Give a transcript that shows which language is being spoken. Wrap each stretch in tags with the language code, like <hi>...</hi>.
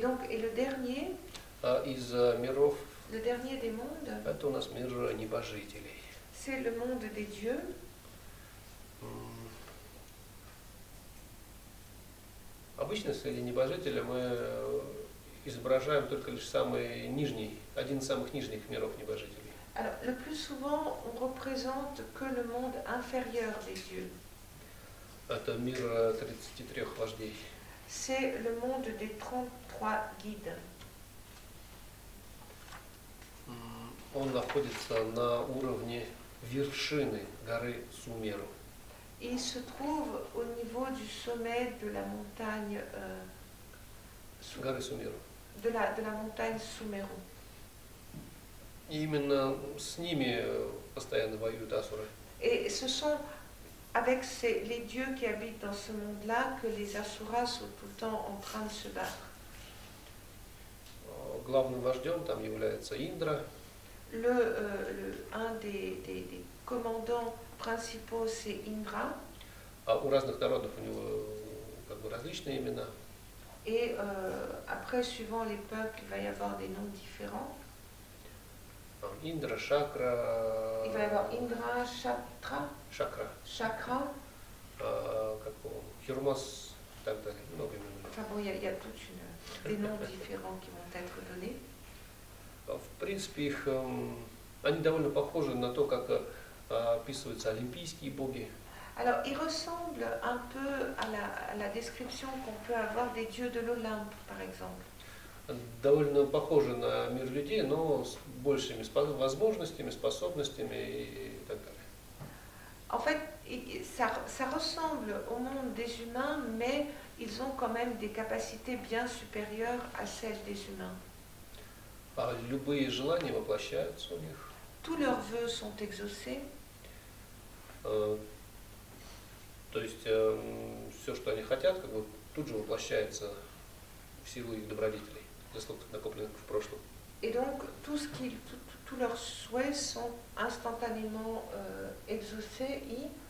<fr>Et le dernier, le dernier des mondes, c'est le monde des dieux.</fr> <ru>Обычно среди небожителей мы изображаем только лишь самый нижний, один из самых нижних миров небожителей.</ru> <fr>Alors, le plus souvent, on représente que le monde inférieur des dieux.</fr> <ru>Это мир 33 вождей.</ru> <fr>C'est le monde des 33 guides.</fr> <ru>Он находится на уровне вершины горы Сумеру.</ru> <fr>Il se trouve au niveau du sommet de la montagne Sumeru. De la montagne Sumeru.</fr> <ru>Именно с ними постоянно воюют асуры.</ru> <fr>Et ce sont avec les dieux qui habitent dans ce monde-là que les asuras sont tout le temps en train de se battre.</fr> <ru>Главным вождем там является Индра.</ru> <fr>Un des commandants principaux, c'est Indra.</fr> <ru>У разных народов у него как бы различные имена.</ru> <fr>Et après, suivant les peuples, il va y avoir des noms différents.</fr> <ru>Индра, Шакра.</ru> <fr>Il va y avoir Индра, Шатра.</fr> <ru>Шакра. Шакра. Как бы Хирмас, и так далее. Много имен.</ru> <fr>Enfin, bon, y a toute une... des noms différents qui vont être donnés.</fr> <ru>В принципе, их, они довольно похожи на то, как описываются олимпийские боги.</ru> <fr>Alors, ils ressemblent un peu à la description qu'on peut avoir des dieux de l'Olympe, par exemple.</fr> <ru>Довольно похожи на мир людей, но с большими возможностями, способностями и так далее.</ru> <fr>En fait, ça ressemble au monde des humains, mais ils ont quand même des capacités bien supérieures à celles des humains.</fr> <ru>Любые желания воплощаются у них.</ru> <fr>Tous leurs vœux sont exaucés.</fr> <ru>То есть все, что они хотят, как бы тут же воплощается в силу их добродетелей, заслуг, накопленных в прошлом.</ru> <fr>Et donc tout ce qu'ils, tous leurs souhaits sont instantanément exaucés и</fr>